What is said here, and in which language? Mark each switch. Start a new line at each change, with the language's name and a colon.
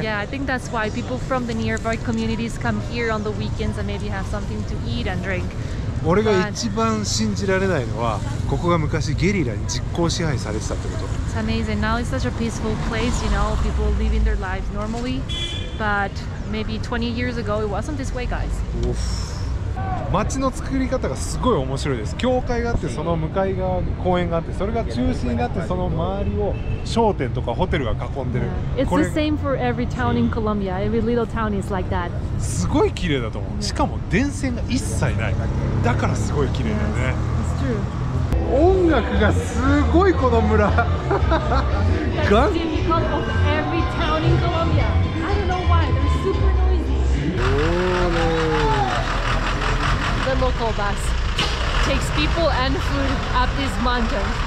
English: So yeah, I think that's why people from the nearby communities come here on the weekends and maybe have something to eat and drink.
Japanese: 俺が一番信じられないのは、ここが昔ゲリラに実効支配されてたってこと。
English: It's amazing. Now it's such a peaceful place, you know, people living their lives normally. But maybe 20 years ago, it wasn't this way, guys.
Japanese: 街の作り方がすごい面白いです。教会があって、その向かい側に公園があって、それが中心になって、その周りを商店とかホテルが囲んでる。
English: It's the same for every town in Colombia. Every little town is like that.
Japanese: すごい綺麗だと思う。しかも電線が一切ない。だからすごい綺麗だよね。音楽がすごいこの村。ガン。
English: Every town in Colombia. I don't know why. They're super noisy. Oh no. The local bus takes people and food up this mountain.